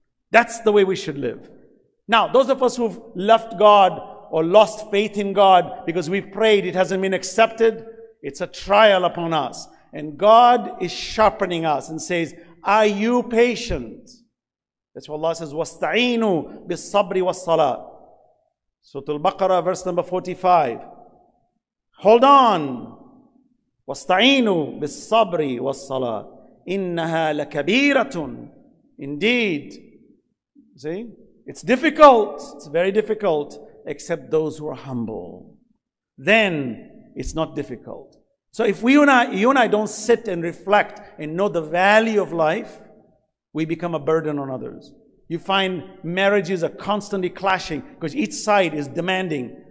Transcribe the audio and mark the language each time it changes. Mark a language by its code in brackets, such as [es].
[en] That's the way we should live. Now, those of us who've left God or lost faith in God because we've prayed, it hasn't been accepted, it's a trial upon us. And God is sharpening us and says, are you patient? That's why Allah says, [ar] وَاسْتَعِينُوا بِالصَّبْرِ وَالصَّلَاةِ [en] Surah Al-Baqarah, verse number 45. Hold on. [ar] وَاسْتَعِينُوا بِالصَّبْرِ وَالصَّلَاةِ إِنَّهَا لَكَبِيرَةٌ [en] Indeed. See? It's difficult. It's very difficult. Except those who are humble. Then, it's not difficult. So if you and I don't sit and reflect and know the value of life, we become a burden on others. You find marriages are constantly clashing because each side is demanding.